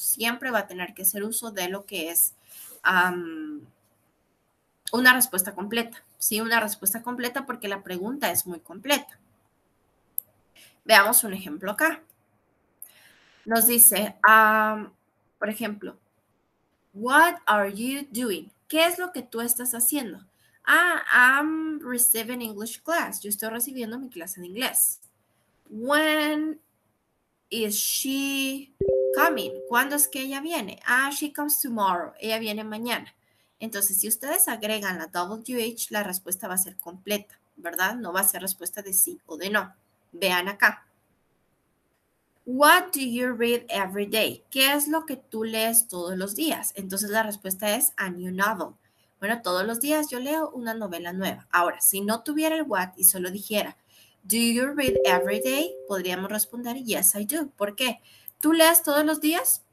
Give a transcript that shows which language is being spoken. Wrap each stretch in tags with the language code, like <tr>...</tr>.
<es>Siempre va a tener que hacer uso de lo que es una respuesta completa. Sí, una respuesta completa porque la pregunta es muy completa. Veamos un ejemplo acá. Nos dice, por ejemplo,</es> <en>What are you doing?</en> <es>¿Qué es lo que tú estás haciendo?</es> <en>Ah, I'm receiving English class.</en> <es>Yo estoy recibiendo mi clase de inglés.</es> <en>When is she coming?</en> <es>¿Cuándo es que ella viene?</es> <en>Ah, she comes tomorrow.</en> <es>Ella viene mañana. Entonces, si ustedes agregan la WH, la respuesta va a ser completa, ¿verdad? No va a ser respuesta de sí o de no. Vean acá.</es> <en>What do you read every day?</en> <es>¿Qué es lo que tú lees todos los días? Entonces la respuesta es</es> <en>a new novel.</en> <es>Bueno, todos los días yo leo una novela nueva. Ahora, si no tuviera el what y solo dijera,</es> <en>do you read every day?</en> <es>Podríamos responder,</es> <en>yes, I do.</en> <es>¿Por qué? ¿Tú lees todos los días?</es>